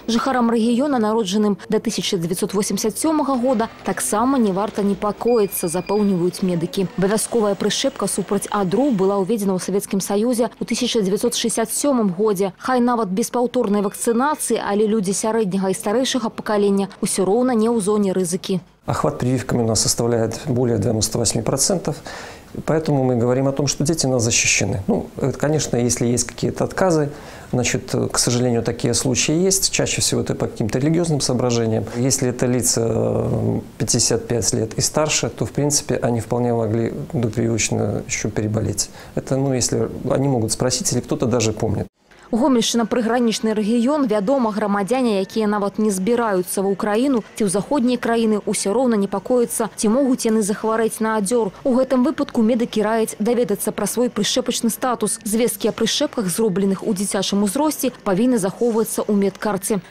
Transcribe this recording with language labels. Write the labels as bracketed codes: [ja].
[be] Жыхарам рэгіёна, народжаным да 1987 года, таксама не варта непакоіцца, запэўніваюць медыкі. Абавязковая прышэпка супраць адру была ўведзена ў Савецкім Саюзе ў 1967 годзе. Хай нават без паўторнай вакцынацыі, але людзі сярэдняга і старэйшага пакалення ўсё роўна не ў зоне рызыкі. [ru] Охват прививками у нас составляет более 98%, поэтому мы говорим о том, что дети у нас защищены. Ну, это, конечно, если есть какие-то отказы, значит, к сожалению, такие случаи есть, чаще всего это по каким-то религиозным соображениям. Если это лица 55 лет и старше, то, в принципе, они вполне могли допрививочно еще переболеть. Это, ну, если они могут спросить, или кто-то даже помнит. [be] Гомельшчына – прыгранічны рэгіён, вядома, грамадзяне, якія нават не збіраюцца ва Украіну ці ў заходнія краіны, ўсё роўна непакоіцца, ці могуць яны захварэць на адзёр. У гэтым выпадку медыкі раяць даведацца пра свой прышэпачны статус. Звесткі аб прышэпках, зробленых у дзіцячым узросце, павінны захоўвацца ў медкарце.